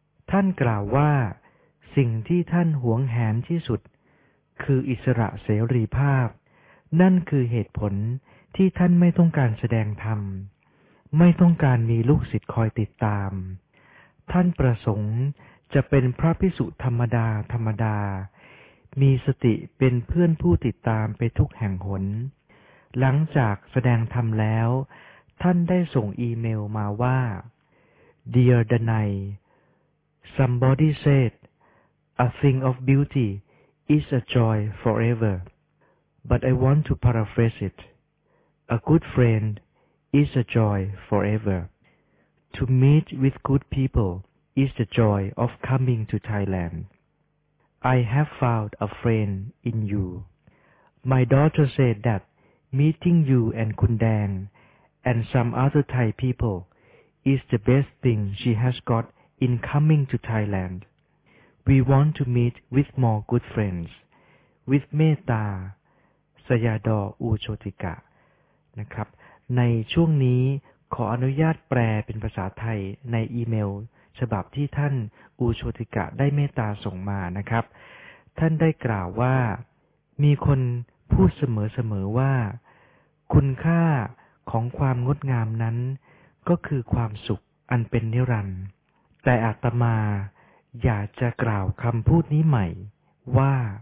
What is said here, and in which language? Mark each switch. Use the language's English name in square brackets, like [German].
[Thai] ท่านกล่าวว่าสิ่งที่ท่านหวงแหนที่สุดคืออิสระเสรีภาพนั่นคือเหตุผลที่ท่านไม่ต้องการแสดงธรรมไม่ต้องการมีลูกศิษย์คอยติดตามท่านประสงค์จะเป็นพระภิกษุธรรมดาธรรมดามีสติเป็นเพื่อนผู้ติดตามไปทุกแห่งหน หลังจากแสดงธรรมแล้วท่านได้ส่งอีเมลมาว่า [English] Dear Danai, Somebody said, A thing of beauty is a joy forever. But I want to paraphrase it. A good friend is a joy forever. To meet with good people is the joy of coming to Thailand. I have found a friend in you. My daughter said that meeting you and Khun Dang and some other Thai people is the best thing she has got in coming to Thailand. We want to meet with more good friends. With Metta, Sayadaw Uchotika. [Thai] นะครับในช่วงนี้ขออนุญาตแปลเป็นภาษาไทยในอีเมลฉบับที่ท่านอุโชติกะได้เมตตาส่งมานะครับท่านได้กล่าวว่ามีคนพูดเสมอๆว่าคุณค่าของความงดงามนั้นก็คือความสุขอันเป็นนิรันดร์แต่อาตมาอยากจะกล่าวคำพูดนี้ใหม่ว่า